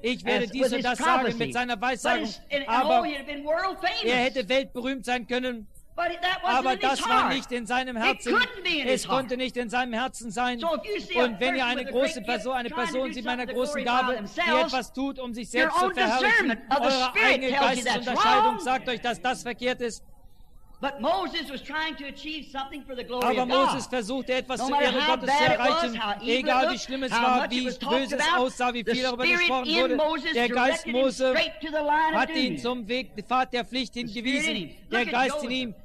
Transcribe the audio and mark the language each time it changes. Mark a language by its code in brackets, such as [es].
[de] Ich werde dies und das sagen mit seiner Weissagung. Aber er hätte weltberühmt sein können. Aber das war nicht in seinem Herzen. Es konnte nicht in seinem Herzen sein. Und wenn ihr eine große Person sieht, meiner großen Gabe, die etwas tut, um sich selbst zu verherrlichen, eure eigene Geistesunterscheidung sagt euch, dass das verkehrt ist. [en] But Moses was trying to achieve something for the glory of God. [de] Aber Moses versuchte etwas zu Ehre Gottes zu erreichen. Egal wie schlimm es war, wie bös es aussah, wie viel darüber gesprochen wurde, der Geist Mose hat ihn zum Weg, die Fahrt der Pflicht hingewiesen. Der Geist in ihm.